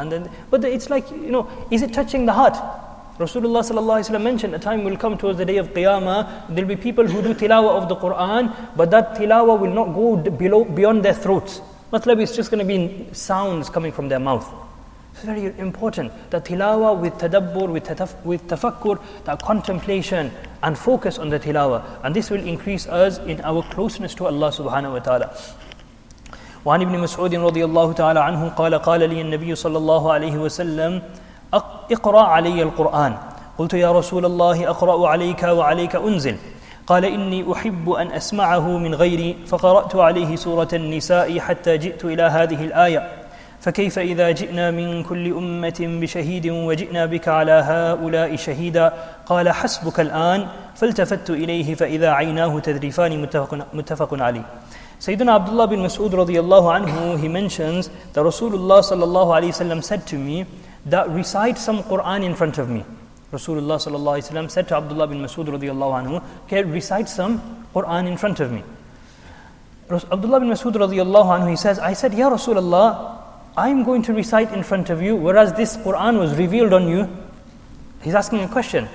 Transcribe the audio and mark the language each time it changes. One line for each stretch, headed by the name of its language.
English: And then, but it's like, you know, is it touching the heart? Rasulullah sallallahu alayhi wa sallam mentioned, a time will come towards the day of Qiyamah, there'll be people who do tilawah of the Qur'an, but that tilawah will not go beyond their throats. Matlab, it's just going to be sounds coming from their mouth. It's very important that tilawah with tadabbur, with tafakkur, that contemplation and focus on the tilawah. And this will increase us in our closeness to Allah subhanahu wa ta'ala.
Arabic: وعن ابن مسعود رضي الله تعالى عنه قال قال لي النبي صلى الله عليه وسلم اقرأ علي القرآن قلت يا رسول الله أقرأ عليك وعليك أنزل قال إني أحب أن أسمعه من غيري فقرأت عليه سورة النساء حتى جئت إلى هذه الآية فكيف إذا جئنا من كل أمة بشهيد وجئنا بك على هؤلاء شهيدا قال حسبك الآن فالتفت إليه فإذا عيناه تذرفان متفق عليه.
English: Sayyidina Abdullah bin Mas'ud radiyallahu anhu, he mentions that Rasulullah sallallahu alayhi wa sallam said to me that recite some Qur'an in front of me. Rasulullah sallallahu alayhi wa sallam said to Abdullah bin Mas'ud radiyallahu anhu, okay, recite some Qur'an in front of me. Abdullah bin Mas'ud radiyallahu anhu, he says, I said, Ya Rasulullah, I'm going to recite in front of you, whereas this Qur'an was revealed on you. He's asking a question.